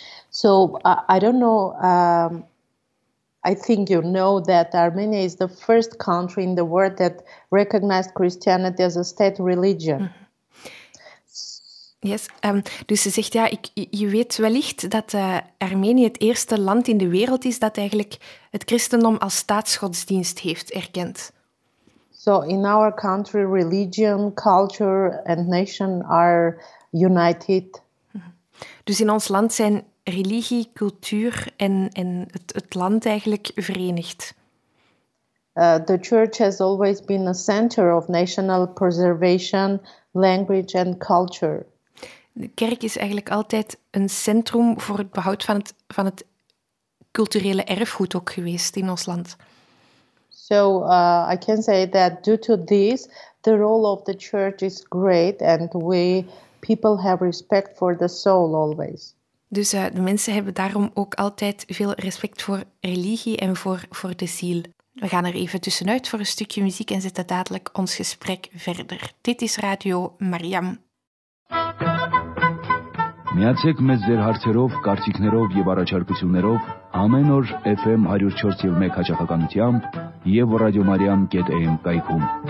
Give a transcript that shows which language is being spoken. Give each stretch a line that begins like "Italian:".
English: So I don't know. I think you know that Armenia is the first country in the world that recognized Christianity as a state religion. Mm-hmm.
Dutch: Yes, dus ze zegt, ja, je weet wellicht dat Armenië het eerste land in de wereld is dat eigenlijk het christendom als staatsgodsdienst heeft erkend.
English: So in our country, religion, culture and nation are united.
Dutch: Dus in ons land zijn religie, cultuur en het land eigenlijk verenigd.
English: The church has always been a center of national preservation, language and culture.
Dutch: De kerk is eigenlijk altijd een centrum voor het behoud van het culturele erfgoed ook geweest in ons land.
English: So I can say that due to this, the role of the church is great and we people have respect for the soul always.
Dutch: Dus de mensen hebben daarom ook altijd veel respect voor religie en voor de ziel. We gaan er even tussenuit voor een stukje muziek en zetten dadelijk ons gesprek verder. Dit is Radio Mariam.
Armenian: Միացեք մեզ ձեր հարցերով, կարծիքներով եւ առաջարկություններով ամեն օր FM 104.1 հաճախականությամբ եւ radiomariam.am կայքում։